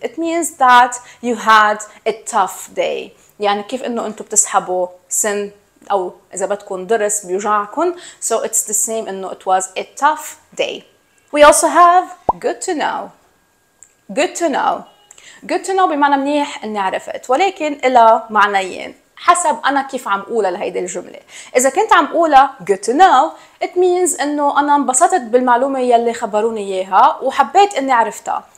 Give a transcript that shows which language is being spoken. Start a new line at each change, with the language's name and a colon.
English: It means that you had a tough day.
Arabic: يعني كيف إنه أنتوا بتسحبوا سن أو إذا بدكم درس بيوجعكم.
English: So it's the same إنه it was a tough day. We also have good to know. Good to know. Good to know
Arabic: بمعنى منيح إني عرفت، ولكن إلى معنيين حسب أنا كيف عم قولها لهيدي الجملة. إذا كنت عم قولها
English: good to know it means
Arabic: إنه أنا انبسطت بالمعلومة يلي خبروني إياها وحبيت إني عرفتها.